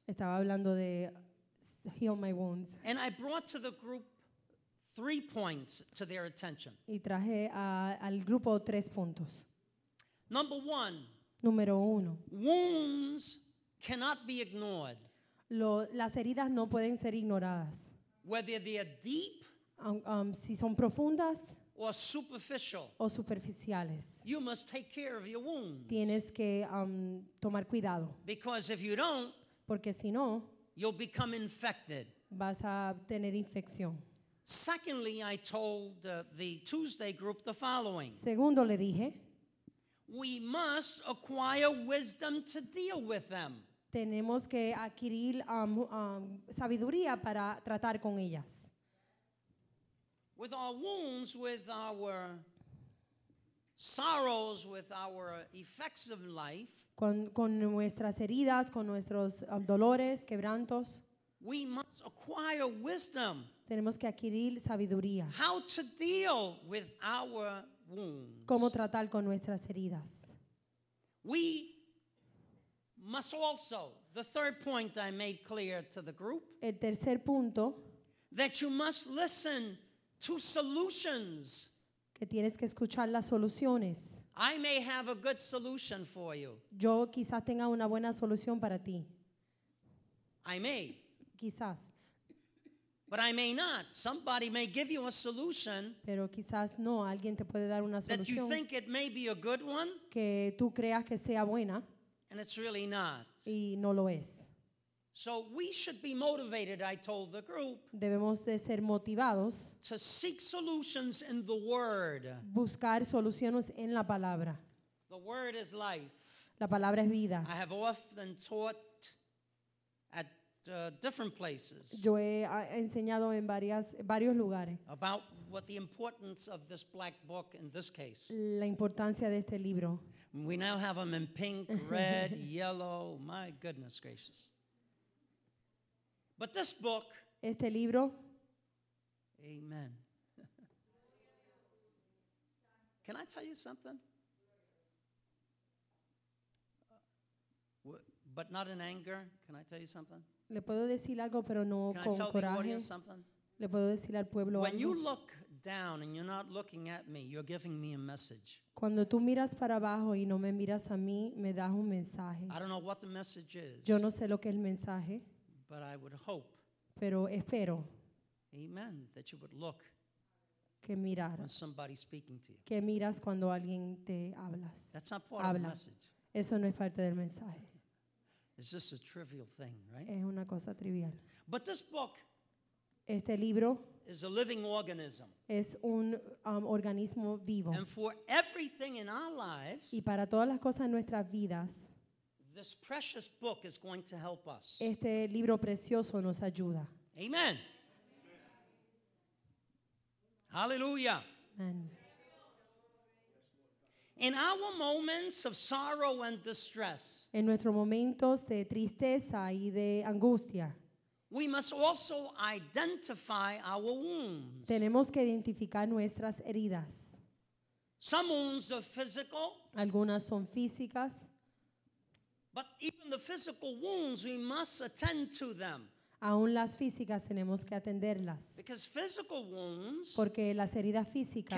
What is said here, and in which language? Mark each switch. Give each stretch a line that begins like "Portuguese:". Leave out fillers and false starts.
Spanish: Estaba hablando de
English: heal my wounds. And I brought to the group 3 points to their attention.
Spanish: Y traje al grupo 3 puntos.
English: Number one.
Spanish: Número uno.
English: Wounds cannot be ignored.
Spanish: Las heridas no pueden ser ignoradas.
English: Whether they are deep,
Spanish: si son profundas,
English: or superficial,
Spanish: o superficiales.
English: You must take care of your wounds.
Spanish: Tienes que tomar cuidado.
English: Because if you don't,
Spanish: porque si no,
English: you'll become infected.
Spanish: Vas a tener infección.
English: Secondly, I told the Tuesday group the following.
Spanish: Segundo, le dije.
English: We must acquire wisdom to deal with them.
Spanish: Tenemos que adquirir sabiduría para tratar con ellas.
English: With our wounds, with our sorrows, with our effects of life.
Spanish: Con nuestras heridas, con nuestros dolores, quebrantos.
English: We must acquire wisdom.
Spanish: Tenemos que adquirir sabiduría.
English: How to deal with our wounds.
Spanish: ¿Cómo tratar con nuestras heridas?
English: We must also, the third point I made clear to the group,
Spanish: el tercer punto,
English: that you must listen to solutions.
Spanish: Que tienes que escuchar las soluciones.
English: I may have a good solution for you.
Spanish: Yo quizás tenga una buena solución para ti.
English: I may.
Spanish: Quizás.
English: But I may not. Somebody may give you a solution.
Spanish: Pero quizás no, alguien te puede dar una solución.
English: That you think it may be a good one.
Spanish: Que tú creas que sea buena.
English: And it's really not.
Spanish: Y no lo es.
English: So we should be motivated, I told the group.
Spanish: Debemos de ser motivados.
English: To seek solutions in the word.
Spanish: Buscar soluciones en la palabra.
English: The word is life.
Spanish: La palabra es vida.
English: I have often taught at different places.
Spanish: Yo he enseñado en varios lugares.
English: About what the importance of this black book in this case.
Spanish: La importancia de este libro.
English: We now have them in pink, red, yellow. My goodness gracious. But this book.
Spanish: Este libro.
English: Amen. Can I tell you something? But not in anger. Can I tell you something?
Spanish: Le puedo decir algo, pero no con coraje. Le puedo decir al pueblo
English: when
Spanish: algo.
English: You look down and you're not looking at me, you're giving me a message.
Spanish: Cuando tú miras para abajo y no me miras a mí, me das un mensaje.
English: I don't know what the message is.
Spanish: Yo no sé lo que es el mensaje.
English: But I would hope.
Spanish: Pero espero.
English: Amen. That you would look.
Spanish: Que miras.
English: When somebody's speaking to you.
Spanish: Que miras cuando alguien te hablas.
English: That's not part
Spanish: Habla.
English: Of the message.
Spanish: Eso no es parte del mensaje.
English: It's just a trivial thing, right?
Spanish: Es una cosa trivial.
English: But this book,
Spanish: este libro,
English: is a living organism.
Spanish: Es un organismo vivo.
English: And for everything in our lives,
Spanish: y para todas las cosas en nuestras vidas,
English: this precious book is going to help us.
Spanish: Este libro precioso nos ayuda.
English: Amen. Hallelujah. Amen. In our moments of sorrow and distress,
Spanish: en nuestros momentos de tristeza y de angustia,
English: we must also identify our wounds.
Spanish: Tenemos que identificar nuestras heridas.
English: Some wounds are physical.
Spanish: Algunas son físicas.
English: But even the physical wounds, we must attend to them.
Spanish: Aún las físicas tenemos que atenderlas.
English: Because physical wounds,
Spanish: porque las heridas físicas,